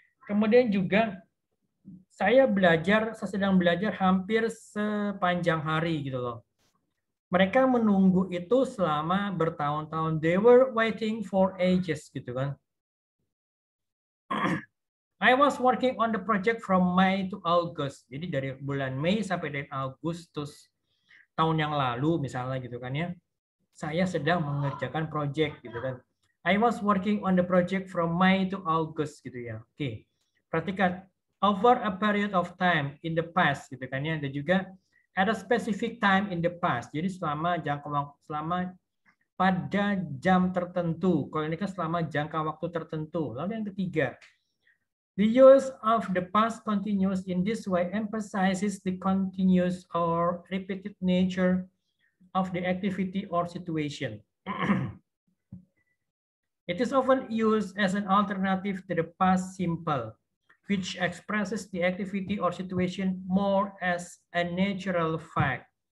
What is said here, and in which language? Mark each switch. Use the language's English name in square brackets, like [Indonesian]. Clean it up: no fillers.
[Indonesian] Kemudian juga saya sedang belajar hampir sepanjang hari gitu loh. Mereka menunggu itu selama bertahun-tahun. [English] They were waiting for ages [Indonesian] gitu kan. [English] I was working on the project from May to August. [Indonesian] Jadi dari bulan Mei sampai dengan Agustus tahun yang lalu misalnya gitu kan ya. Saya sedang mengerjakan project gitu kan. [English] I was working on the project from May to August [Indonesian] gitu ya. Oke. Perhatikan [English] over a period of time in the past [Indonesian] gitu kan ya. Dan juga [English] at a specific time in the past. [Indonesian] Jadi selama jangka waktu selama pada jam tertentu. Kalau ini kan selama jangka waktu tertentu. Lalu yang ketiga, [English] the use of the past continuous in this way emphasizes the continuous or repeated nature of the activity or situation. It is often used as an alternative to the past simple, which expresses the activity or situation more as a natural fact.